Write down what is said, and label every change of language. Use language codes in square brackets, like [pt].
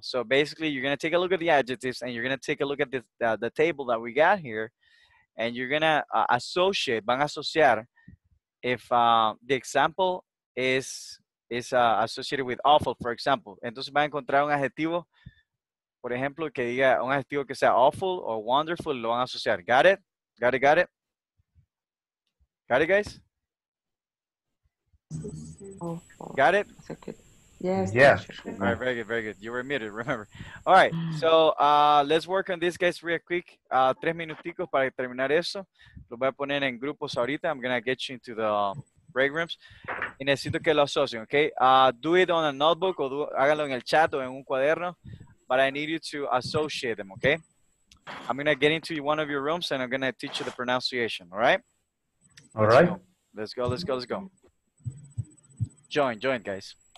[en] So basically, you're gonna take a look at the adjectives and you're gonna take a look at the table that we got here, and you're gonna associate, [es] van a asociar, [en] if the example is associated with awful, for example. [es] Entonces van a encontrar un adjetivo, por ejemplo, que diga un adjetivo que sea awful or wonderful, lo van a asociar. [en] Got it? Got it, guys? Got it? Yes. Yeah. All right. Very good. Very good. You were muted. Remember. All right. So let's work on this, guys, real quick. [es] Tres minuticos para terminar eso. Lo voy a poner en grupos ahorita. [en] I'm gonna get you into the break rooms. [es] Y necesito que lo asocien, okay? [en] Do it on a notebook or [es] háganlo en el chat o en un cuaderno. [en] But I need you to associate them, okay? I'm gonna get into one of your rooms and I'm gonna teach you the pronunciation. All right. All right. Let's go. Join, guys.